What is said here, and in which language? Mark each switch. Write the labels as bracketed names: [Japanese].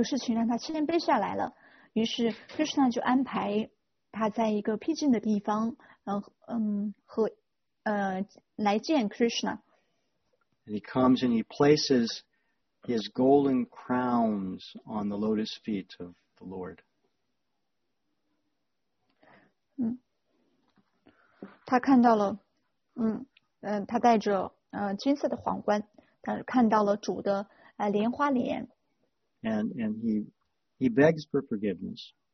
[Chinese] Indra意识到自己错了，他也感到通过这个事情让他谦卑下来了。于是 Krishna 就安排他在一个僻静的地方，和 来见 Krishna. [English] And he comes and he places his golden crowns on the lotus feet of the Lord. [Chinese] 他看到了，他带着金色的皇冠，他看到了主的莲花莲。 [English] And he begs for forgiveness.